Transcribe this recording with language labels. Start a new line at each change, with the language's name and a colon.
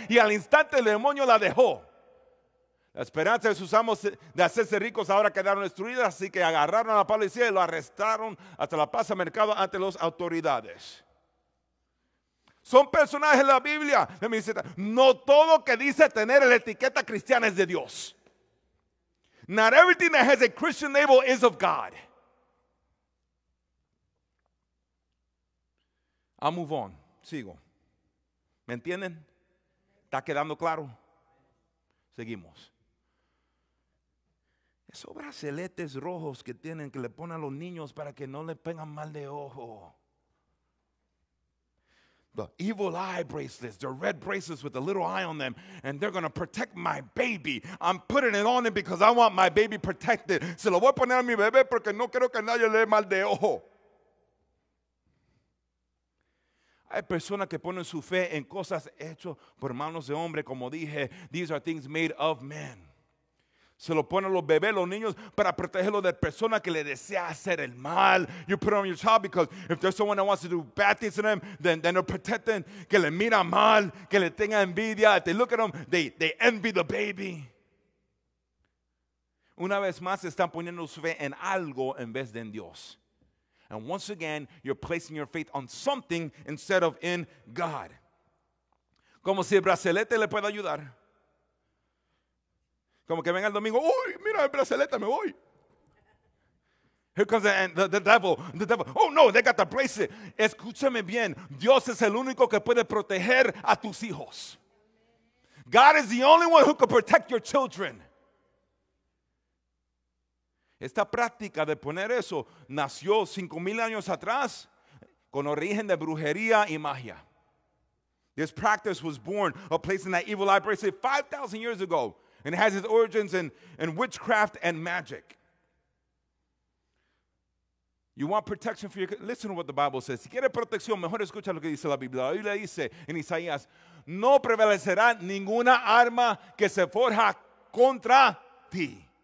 Spanish: Y al instante el demonio la dejó. La esperanza de sus amos de hacerse ricos ahora quedaron destruidas, así que agarraron a Pablo y lo arrestaron hasta la plaza mercado ante las autoridades. Son personajes de la Biblia. No todo que dice tener la etiqueta cristiana es de Dios.
English: Not everything that has a Christian label is of God. I'll move on.
Spanish: Sigo. ¿Me entienden? ¿Está quedando claro? Seguimos. Esos braceletes rojos que tienen que le ponen a los niños para que no le pongan mal de ojo.
English: The evil eye bracelets, the red bracelets with the little eye on them, and they're going to protect my baby. I'm putting it on it because I want my baby protected.
Spanish: Se lo voy a poner a mi bebé porque no quiero que nadie le dé mal de ojo. Hay personas que ponen su fe en cosas hechas por manos de hombre. Como dije,
English: these are things made of men.
Spanish: Se lo ponen los bebés, los niños, para protegerlo de personas que le desea hacer el mal.
English: You put it on your child because if there's someone that wants to do bad things to them, then they're protecting,
Spanish: que le mira mal, que le tenga envidia.
English: If they look at them, they envy the baby.
Spanish: Una vez más, están poniendo su fe en algo en vez de en Dios.
English: And once again, you're placing your faith on something instead of in God.
Spanish: Como si el brazalete le pueda ayudar. Como que venga el domingo, uy, mira el brazalete, me voy.
English: Here comes the devil. Oh, no, they got the bracelet.
Spanish: Escúchame bien, Dios es el único que puede proteger a tus hijos.
English: God is the only one who can protect your children.
Spanish: Esta práctica de poner eso nació 5,000 años atrás con origen de brujería y magia.
English: This practice was born of placing that evil eye bracelet 5,000 years ago. And it has its origins in witchcraft and magic. You want protection for your... Listen to what the Bible says.
Spanish: Si quiere protección, mejor escucha lo que dice la Biblia. La Biblia dice en Isaías, no prevalecerá ninguna arma que se forja contra ti.